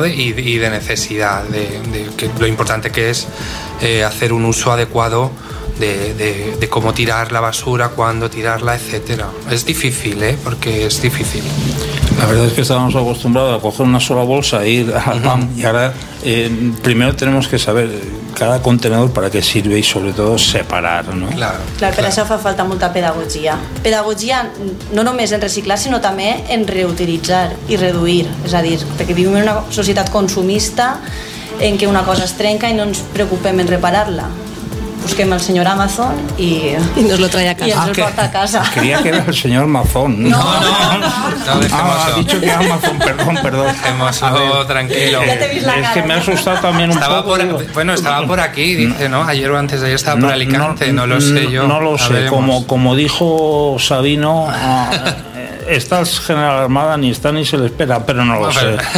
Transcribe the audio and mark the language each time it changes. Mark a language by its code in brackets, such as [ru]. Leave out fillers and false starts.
[es] de necesidad, de que lo importante que es hacer un uso adecuado de cómo tirar la basura, cuándo tirarla, etcétera. Es difícil, ¿eh? Porque es difícil. La verdad es que estábamos acostumbrados a coger una sola bolsa e ir al PAM. Y ahora, primero tenemos que saber cada contenedor para qué sirve y sobre todo separar, ¿no? Claro. [ca] Per això fa falta molta pedagogia. Pedagogia no només en reciclar, sinó també en reutilitzar i reduir. És a dir, perquè vivim en una societat consumista en què una cosa es trenca i no ens preocupem en reparar-la. Busquem el senyor Amazon [es] i nos lo trae a casa. [ca] Ah, porta a casa. Creia que era el senyor Amazon. No. [es] Ah, ha dicho que Amazon, perdón. Dejemos algo tranquilo. Es que me ha asustado también un estaba poco. Estaba por aquí, dice, ¿no? Ayer o antes de ayer estaba por Alicante, no lo sé yo. No lo sé, como dijo Sabino... Estás General Armada, ni está ni se le espera, pero no lo sé.